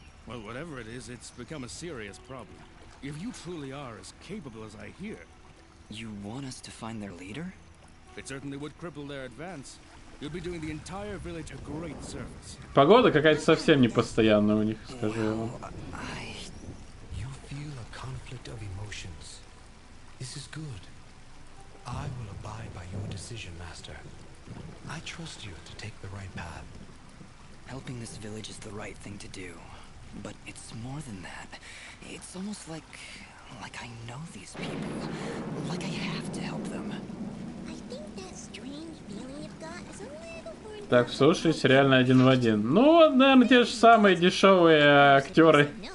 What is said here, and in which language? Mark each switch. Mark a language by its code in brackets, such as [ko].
[en] Well, whatever it is, it's become a serious problem. If you truly are as capable as I hear... You want us to find their leader? It certainly would cripple their advance. You'd be doing the entire village a great service. [ru] Погода какая-то совсем непостоянная у них, скажу я вам. [en] You feel a conflict of emotions. This is good. I will abide by your decision, Master. I trust you to take the right path. Helping this village is the right thing to do. But it's more than that. It's almost like I know these people. Like I have to help them. I think that strange feeling you've got is a little more... [ru] Так, слушаюсь, реально один в один. Ну, наверное, те же самые дешевые актеры.